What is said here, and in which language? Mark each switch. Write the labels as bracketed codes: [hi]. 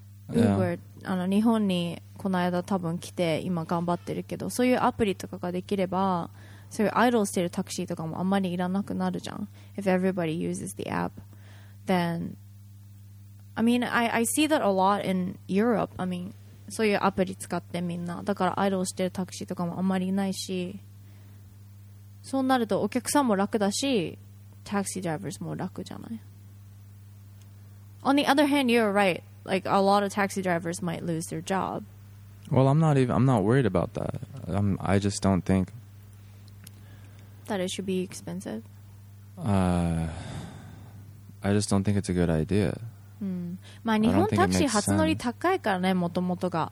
[ja] Uber,、yeah. あの日本にこの間多分来て今頑張ってるけど、そういうアプリとかができれば、そういうアイドルしてるタクシーとかもあんまりいらなくなるじゃん。 [en] If everybody uses the app, then I mean I see that a lot in Europe. I mean [ja] そういうアプリ使ってみんな、だからアイドルしてるタクシーとかもあんまりいないし、そうなるとお客さんも楽だし、タクシードライバーも楽じゃない。 [en] On the other hand, you're right. Like a lot of taxi drivers might lose their job Well, I'm not worried about that. I just don't think that it should be expensive. I just don't think it's a good idea. [ja] まあ、日本タクシー初乗り高いからね、もともとが。